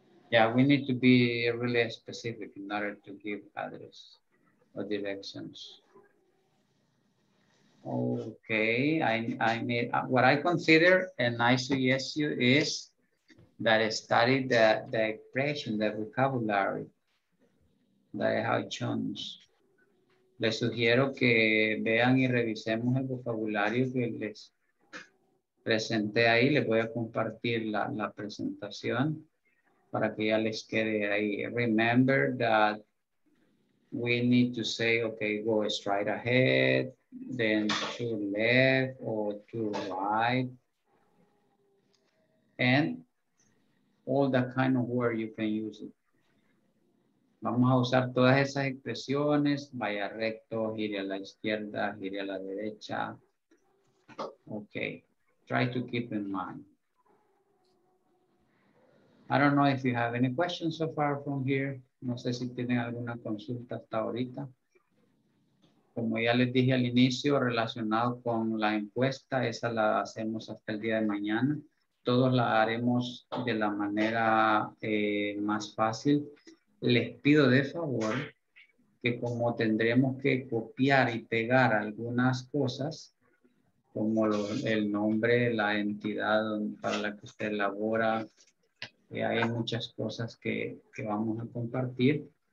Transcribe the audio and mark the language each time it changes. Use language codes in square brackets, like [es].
[en] Yeah, we need to be really specific in order to give address or directions. Okay, what I consider and I suggest you is that I study the expression, the vocabulary that I have shown. [es] Les sugiero que vean y revisemos el vocabulario que les presenté ahí. Les voy a compartir la presentación para que ya les quede ahí. [en] Remember that we need to say, okay, go straight ahead, then to left or to right. And all that kind of word you can use it. [es] Vamos a usar todas esas expresiones. Vaya recto, gire a la izquierda, gire a la derecha. [en] Okay, try to keep in mind. I don't know if you have any questions so far from here. [es] No sé si tienen alguna consulta hasta ahorita. Como ya les dije al inicio, relacionado con la encuesta, esa la hacemos hasta el día de mañana. Todos la haremos de la manera más fácil. Les pido de favor que como tendremos que copiar y pegar algunas cosas, como el nombre, la entidad para la que usted labora, hay muchas cosas que vamos a compartir.